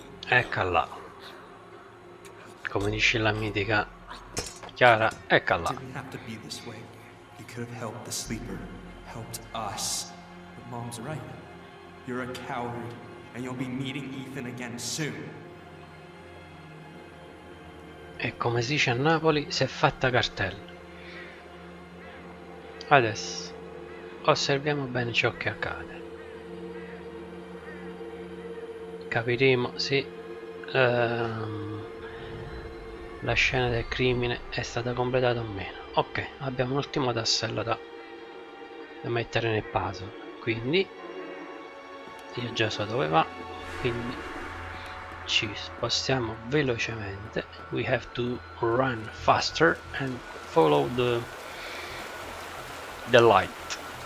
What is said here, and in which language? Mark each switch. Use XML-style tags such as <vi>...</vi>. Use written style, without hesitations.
<it>Eccola. Come dice la mitica Chiara, eccola.</it> <en>Didn't have to be this way. You could have helped the sleeper, helped us. But Mom's right. You're a coward, and you'll be meeting Ethan again soon.</en> <it>E come si dice a Napoli, si è fatta cartella. Adesso osserviamo bene ciò che accade. Capiremo se la scena del crimine è stata completata o meno. Ok, abbiamo un ultimo tassello da mettere nel puzzle. Quindi io già so dove va, quindi ci spostiamo velocemente.</it> <en>We have to run faster and follow the light.</en>